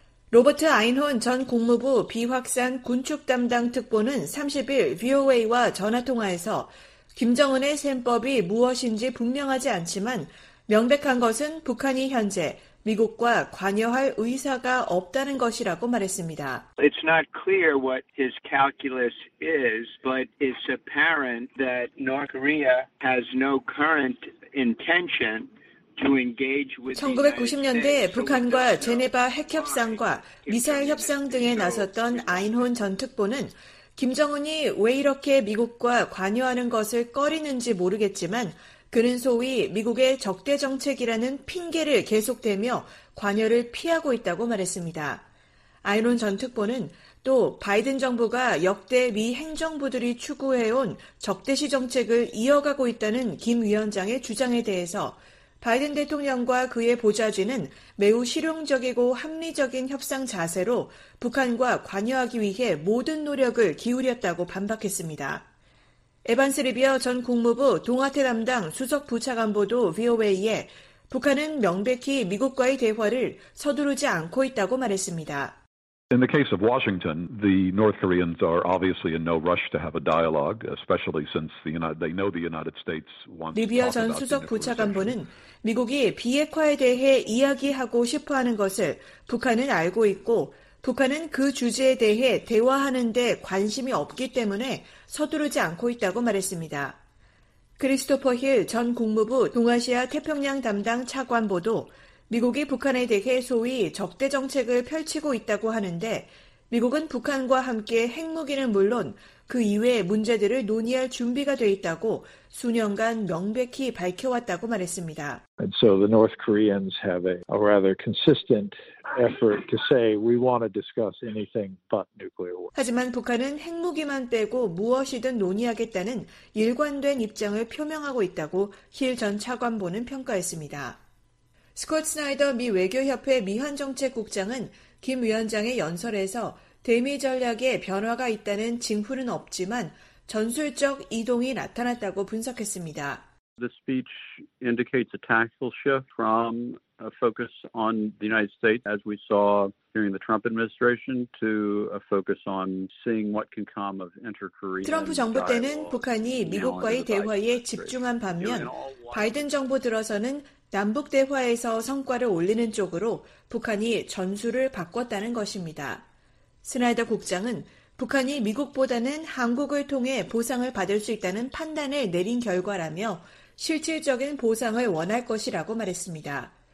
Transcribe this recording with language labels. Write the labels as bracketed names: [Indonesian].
[Korean] 로버트 아인혼 전 국무부 비확산 군축 담당 특보는 30일 VOA와 전화통화에서 김정은의 셈법이 무엇인지 분명하지 않지만 명백한 것은 북한이 현재 미국과 관여할 의사가 없다는 것이라고 말했습니다. [English] It's not clear what his calculus is, but it's apparent that North Korea has no current intention to engage with the United States. [Korean] 1990년대 북한과 제네바 핵협상과 미사일 협상 등에 나섰던 아인혼 전 특보는 김정은이 왜 이렇게 미국과 관여하는 것을 꺼리는지 모르겠지만 그는 소위 미국의 적대 정책이라는 핑계를 계속 대며 관여를 피하고 있다고 말했습니다. 아이론 전 특보는 또 바이든 정부가 역대 미 행정부들이 추구해온 적대시 정책을 이어가고 있다는 김 위원장의 주장에 대해서 바이든 대통령과 그의 보좌진은 매우 실용적이고 합리적인 협상 자세로 북한과 관여하기 위해 모든 노력을 기울였다고 반박했습니다. 에반스 리비어 전 국무부 동아태 담당 수석 부차관보도 VOA에 북한은 명백히 미국과의 대화를 서두르지 않고 있다고 말했습니다. [English] In the case of Washington, the North Koreans are obviously in no rush to have a dialogue, especially since the United, they know the United States wants [Korean] 리비아 전 수석 부차관보는 미국이 비핵화에 대해 이야기하고 싶어하는 것을 북한은 알고 있고 북한은 그 주제에 대해 대화하는 데 관심이 없기 때문에 서두르지 않고 있다고 말했습니다. 크리스토퍼 힐 전 국무부 동아시아 태평양 담당 차관보도 미국이 북한에 대해 소위 적대 정책을 펼치고 있다고 하는데 미국은 북한과 함께 핵무기는 물론 그 이외의 문제들을 논의할 준비가 돼 있다고 수년간 명백히 밝혀왔다고 말했습니다. [English] And so the North Koreans have a rather consistent effort to say we want to discuss anything but nuclear war. [Korean] 하지만 북한은 핵무기만 빼고 무엇이든 논의하겠다는 일관된 입장을 표명하고 있다고 힐 전 차관보는 평가했습니다. 스콧 스나이더 미 외교협회 미한정책국장은 김 위원장의 연설에서 대미 전략에 변화가 있다는 징후는 없지만 전술적 이동이 나타났다고 분석했습니다. [English] The speech indicates a tactical shift from a focus on the United States as we saw during the Trump administration to a focus on seeing what can come of inter-Korean. [Korean] 트럼프 정부 때는 북한이 미국과의 대화에 집중한 반면 바이든 정부 들어서는 남북 대화에서 성과를 올리는 쪽으로 북한이 전술을 바꿨다는 것입니다. 스나이더 국장은 북한이 미국보다는 한국을 통해 보상을 받을 수 있다는 판단을 내린 결과라며 실질적인 보상을 원할 것이라고 말했습니다.